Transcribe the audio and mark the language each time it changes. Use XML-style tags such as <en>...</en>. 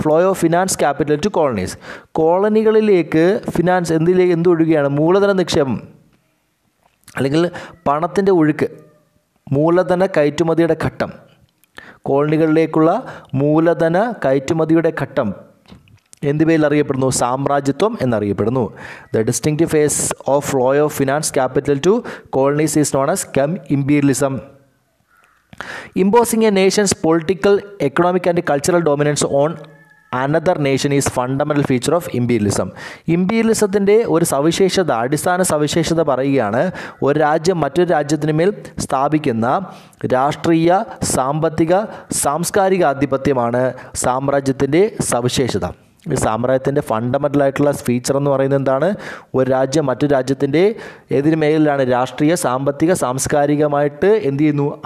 <en>flow of finance capital to colonies,</en> <ml>കോളനികളിലേക്ക് finance എന്തൊഴുകയാണ്, മൂലധന നിക്ഷേപം അല്ലെങ്കിൽ പണത്തിൻ്റെ ഒഴുക്ക്, മൂലധന കയറ്റുമതിയുടെ ഘട്ടം, കോളനികളിലേക്കുള്ള മൂലധന കയറ്റുമതിയുടെ ഘട്ടം എന്ത് പേരിൽ അറിയപ്പെടുന്നു, സാമ്രാജ്യത്വം എന്നറിയപ്പെടുന്നു.</ml> <en>The distinctive phase of flow of finance capital to colonies is known as come imperialism. Imposing a nation's political, economic and cultural dominance on another nation is fundamental feature of imperialism.</en> <ml>ഇമ്പീരിയലിസത്തിൻ്റെ ഒരു സവിശേഷത, അടിസ്ഥാന സവിശേഷത പറയുകയാണ്, ഒരു രാജ്യം മറ്റൊരു രാജ്യത്തിന് മേൽ സ്ഥാപിക്കുന്ന രാഷ്ട്രീയ, സാമ്പത്തിക, സാംസ്കാരിക ആധിപത്യമാണ് സാമ്രാജ്യത്തിൻ്റെ സവിശേഷത. ഈ സാമ്രാജ്യത്തിൻ്റെ ഫണ്ടമെൻ്റൽ ആയിട്ടുള്ള ഫീച്ചർ എന്ന് പറയുന്നത് എന്താണ്? ഒരു രാജ്യം മറ്റൊരു രാജ്യത്തിൻ്റെ എതിര് മേഖലയിലാണ് രാഷ്ട്രീയ സാമ്പത്തിക സാംസ്കാരികമായിട്ട് എന്ത് ചെയ്യുന്നു?</ml>